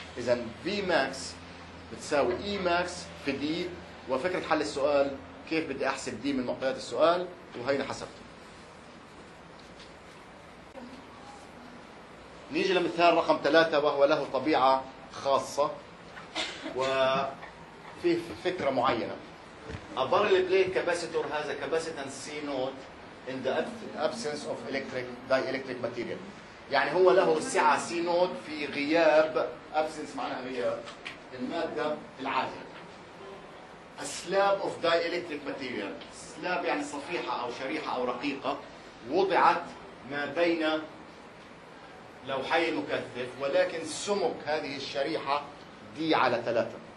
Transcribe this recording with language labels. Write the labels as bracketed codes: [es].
[ar] إذا V max بتساوي E max في D، وفكرة حل السؤال كيف بدي أحسب D من معطيات السؤال وهينا حسبته. نيجي لمثال رقم 3 وهو له طبيعة خاصة وفيه فكرة معينة. [en] A barrel plate capacitor has a capacitance C naught in the absence of electric dielectric material. [ar] يعني هو له سعة C naught في غياب absence معناها غياب المادة العازلة. [en] A slab of dielectric material. [ar] Slab يعني صفيحة أو شريحة أو رقيقة وضعت ما بين لوحي المكثف، ولكن سمك هذه الشريحة دي على 3.